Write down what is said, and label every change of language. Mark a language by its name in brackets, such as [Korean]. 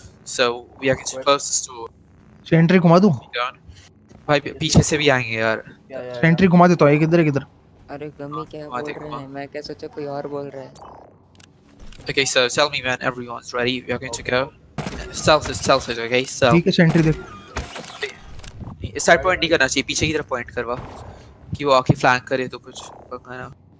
[English] So we are going to close this door. [Hindi] Entry घुमा दूँ? भाई पीछे से भी आएंगे यार. Entry घुमा देता हूँ. किधर किधर? अरे गमी क्या बोल रहे हैं? मैं क्या सोचा कोई और बोल रहा है? [English] Okay, so tell me when everyone's ready. We are going to go. Stealth is okay. So. [Hindi] ठीक है entry देख. Side point नहीं करना चाहिए. पीछे की तरफ point करवा. कि वो आके flank करे तो कुछ करना.